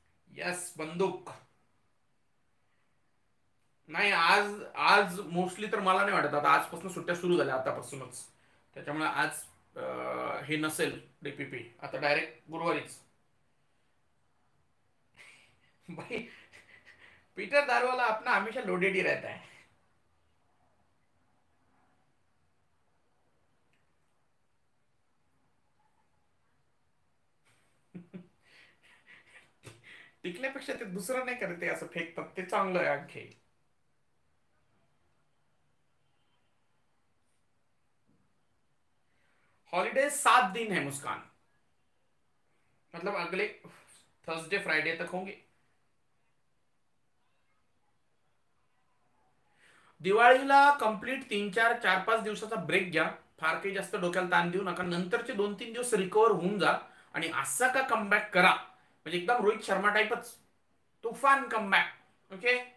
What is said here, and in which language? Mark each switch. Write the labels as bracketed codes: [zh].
[mr] Yes, बंदूक नाही आज, आज मोस्टली तर मला नाही वाटत, आता आजपासून सुट्ट्या सुरू झाल्या आतापासूनच, त्याच्यामुळे आज हे नसेल डीपीपी, आता डायरेक्ट गुरुवारीच। [hi] भाई पीटर दारवाला अपना हमेशा लोडेड ही रहता है। [mr] टिकल्यापेक्षा ते दुसरं नाही करत ते असं फेकतात, ते चांगलं आहे आणखी। [hi] हॉलीडे 7 दिन है मुस्कान, मतलब अगले थर्सडे फ्राइडे तक होंगे। [mr] दिवाळीला कंप्लीट 3 4 4 5 दिवसाचा ब्रेक घ्या, फार काही जास्त डोक्याला ताण देऊ नका, नंतरचे 2 3 दिवस रिकवर होऊन जा आणि असं का कमबॅक करा, म्हणजे एकदम रोहित शर्मा टाइपच तुफान कमबॅक। ओके,